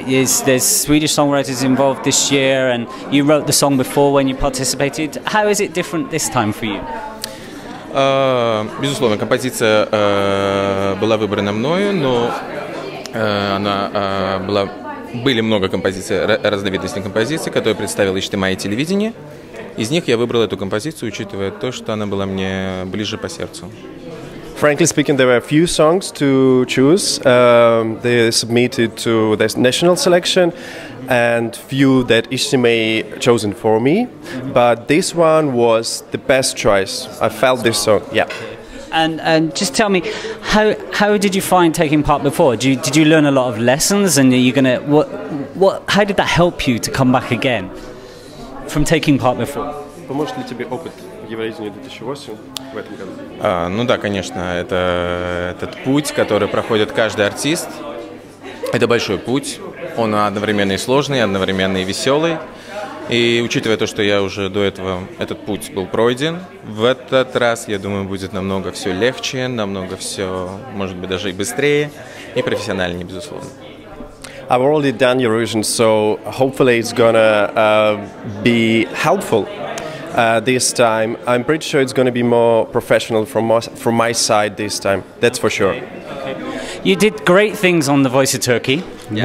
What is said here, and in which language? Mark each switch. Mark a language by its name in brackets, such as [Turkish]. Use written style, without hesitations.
[English] Is there Swedish songwriters involved this year, and you wrote the song before when you participated? How is it different this time for you? [Russian] Безусловно, композиция была выбрана мною, но она была были много композиций, разновидностей композиций, которые представил HTML и телевидение. Из них я выбрал эту композицию, учитывая то, что она была мне ближе по сердцу. [English] Frankly speaking, there were a few songs to choose. They submitted to the national selection, and few that HTMA chosen for me. But this one was the best choice. I felt this song. Yeah. And just tell me, how did you find taking part before? Did you learn a lot of lessons? And are you gonna what? How did that help you to come back again from taking part before? [Russian] Поможет ли тебе опыт Евровидения 2008 в этом году? Ну да, конечно, это этот путь, который проходит каждый артист. Это большой путь, он одновременно и сложный, одновременно и веселый. И учитывая то, что я уже до этого этот путь был пройден, в этот раз, я думаю, будет намного все легче, намного все, может быть, даже и быстрее, и профессиональнее, безусловно. [English] I've already done Eurovision, so hopefully it's gonna be helpful. This time, I'm pretty sure it's going to be more professional from my side this time. That's for sure. Okay. You did great things on The Voice of Turkey, yeah.